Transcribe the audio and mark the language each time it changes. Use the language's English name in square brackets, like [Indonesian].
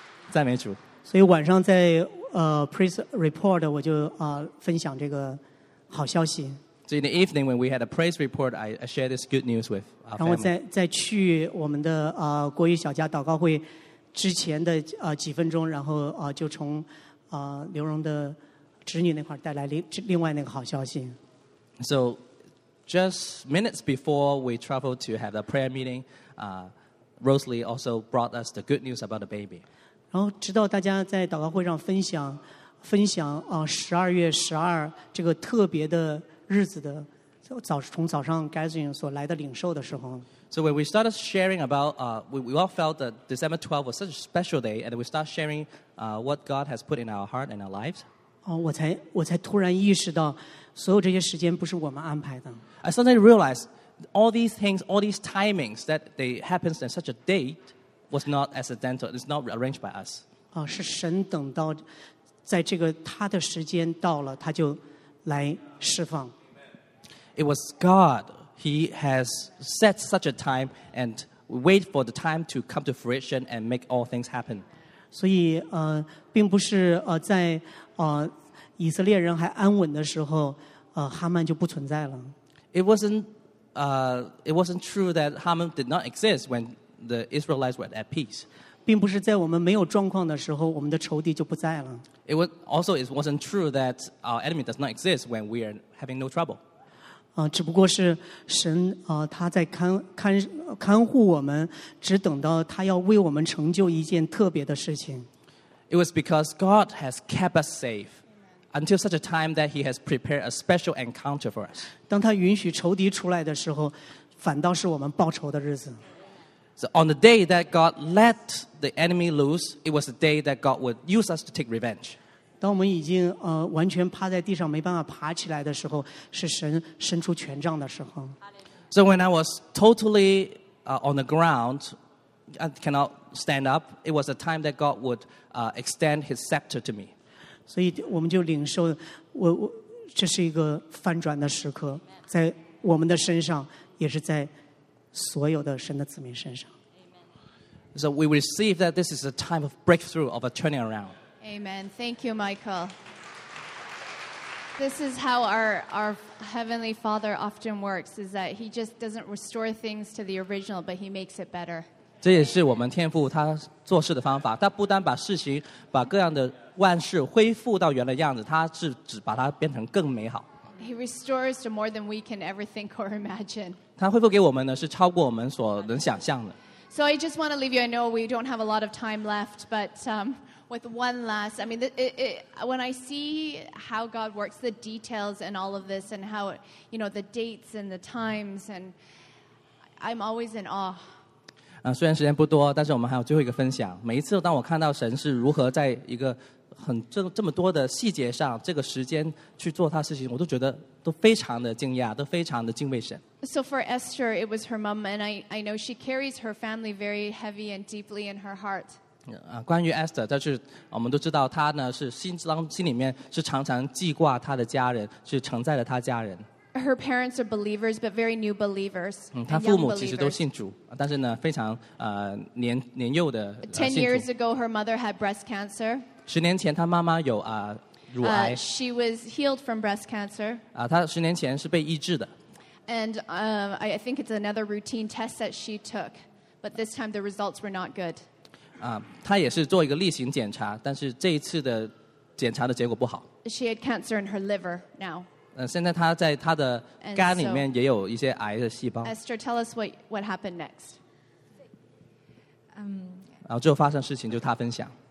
[Chinese] 赞美主。所以晚上在 [English] praise report, [Chinese] 我就分享这个好消息。 [English] So in the evening when we had a praise report, I shared this good news with our family. [Chinese] 然后在去我们的国语小家祷告会之前的几分钟，然后就从刘荣的侄女那块带来另外那个好消息。 [English] So just minutes before we traveled to have the prayer meeting, Rosalie also brought us the good news about the baby. [Chinese] 然后直到大家在祷告会上分享12月12这个特别的日子的从早上 gathering 所来的领受的时候。 [English] So when we started sharing about, we all felt that December 12 was such a special day, and we started sharing what God has put in our heart and our lives. [Chinese] 我才突然意识到所有这些时间不是我们安排的。 [English] I suddenly realized all these things, all these timings that they happened in such a date was not accidental, it's not arranged by us. [Chinese] 是神等到在这个他的时间到了他就来释放。 [English] It was God. He has set such a time and wait for the time to come to fruition and make all things happen. [Chinese] 所以并不是在以色列人还安稳的时候哈曼就不存在了。 [English] It wasn't true that Haman did not exist when the Israelites were at peace. [Chinese] 并不是在我们没有状况的时候我们的仇敌就不在了。 [English] It wasn't true that our enemy does not exist when we are having no trouble. [Chinese] 只不过是神他在看护我们，只等到他要为我们成就一件特别的事情。 [English] It was because God has kept us safe until such a time that He has prepared a special encounter for us. [Chinese] 当他允许仇敌出来的时候，反倒是我们报仇的日子。 [English] So on the day that God let the enemy loose, it was the day that God would use us to take revenge. [Chinese] 当我们已经完全趴在地上没办法爬起来的时候，是神伸出权杖的时候。 [English] So when I was totally on the ground, I cannot stand up, it was the time that God would extend His scepter to me. [Chinese] 所以我们就领受，这是一个翻转的时刻，在我们的身上，也是在所有的神的子民身上。 [English] So we receive that this is a time of breakthrough, of a turning around. Amen. Thank you, Michael. This is how our Heavenly Father often works, is that He just doesn't restore things to the original, but He makes it better. [Chinese] 这也是我们天父他做事的方法，他不单把事情，把各样的万事恢复到原来的样子，他是只把它变成更美好。 [English] He restores to more than we can ever think or imagine. [Chinese] 他恢复给我们呢，是超过我们所能想象的。 [English] So I just want to leave you. I know we don't have a lot of time left, but with one last, I mean, when I see how God works, the details and all of this, and how you know the dates and the times, and I'm always in awe. [Chinese] 虽然时间不多，但是我们还有最后一个分享。每一次当我看到神是如何在一个很这么多的细节上，这个时间去做他事情，我都觉得都非常的惊讶，都非常的敬畏神。 [English] So for Esther, it was her mom, and I know she carries her family very heavy and deeply in her heart. [Chinese] 关于 Esther, 就是我们都知道她呢是心里面是常常记挂她的家人，是承载了她家人。 [English] Her parents are believers, but very new believers. [Chinese] 她父母其实都信主，但是呢非常年幼的。 [English] 10 years ago, her mother had breast cancer. [Chinese] 十年前她妈妈有乳癌。 [English] She was healed from breast cancer. [Chinese] 她十年前是被医治的。 [English] And I think it's another routine test that she took, but this time the results were not good. [Chinese] 她也是做一个例行检查，但是这一次的检查的结果不好。 [English] She had cancer in her liver now. [Chinese] 现在她在她的肝里面也有一些癌的细胞。 [English] Esther, tell us what happened next. [Chinese] 然后最后发生事情就她分享。